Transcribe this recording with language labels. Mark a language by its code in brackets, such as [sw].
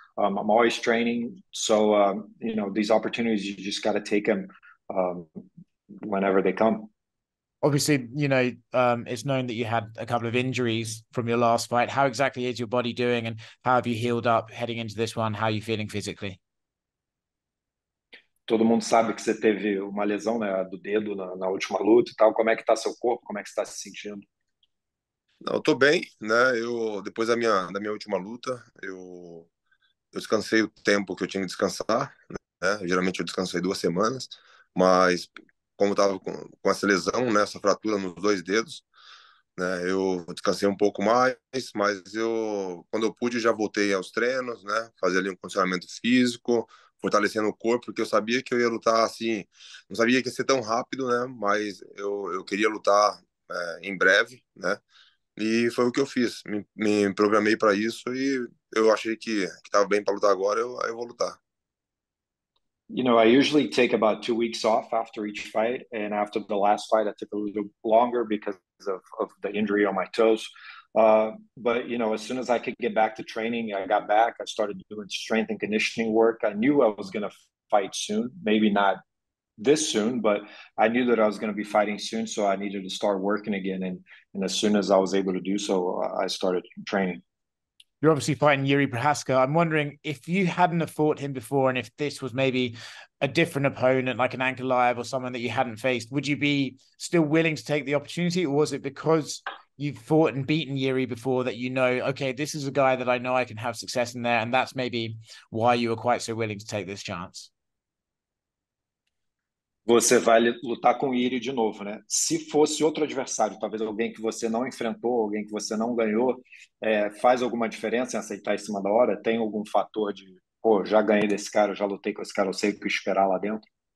[en] I'm always training. So, you know, these opportunities, you just got to take them whenever they come. Obviously, it's known that you had a couple of injuries from your last fight. How exactly is your body doing, and how have you healed up heading into this one? How are you feeling physically? [pt] Todo mundo sabe que você teve uma lesão, né, do dedo na última luta e tal. Como é que está seu corpo? Como é que você está se sentindo? Não, eu tô bem, né? Eu depois da minha última luta, eu descansei o tempo que eu tinha que descansar, né? Geralmente eu descansei 2 semanas, mas como eu tava com essa lesão, né, essa fratura nos dois dedos, né, eu descansei um pouco mais, mas eu, quando eu pude, já voltei aos treinos, né, fazer ali um condicionamento físico, fortalecendo o corpo, porque eu sabia que eu ia lutar assim, não sabia que ia ser tão rápido, né, mas eu queria lutar em breve, né, e foi o que eu fiz, me programei para isso e eu achei que tava bem para lutar agora, eu vou lutar. [en] You know, I usually take about 2 weeks off after each fight, and after the last fight, I took a little longer because of the injury on my toes. But you know, as soon as I could get back to training, I got back. I started doing strength and conditioning work. I knew I was going to fight soon, maybe not this soon, but I knew that I was going to be fighting soon, so I needed to start working again. And as soon as I was able to do so, I started training. You're obviously fighting Jiří Prochazka. I'm wondering if you hadn't have fought him before, and if this was maybe a different opponent, like an Ankalaev or someone that you hadn't faced, would you be still willing to take the opportunity, or was it because you've fought and beaten Jiří before that you know, okay, this is a guy that I know I can have success in there, and that's maybe why you were quite so willing to take this chance? [pt] Você vai lutar com o Yuri de novo, né? Se fosse outro adversário, talvez alguém que você não enfrentou, alguém que você não ganhou, faz alguma diferença em aceitar em cima da hora? Tem algum fator de, pô, já ganhei desse cara, já lutei com esse cara, eu sei o que esperar lá dentro?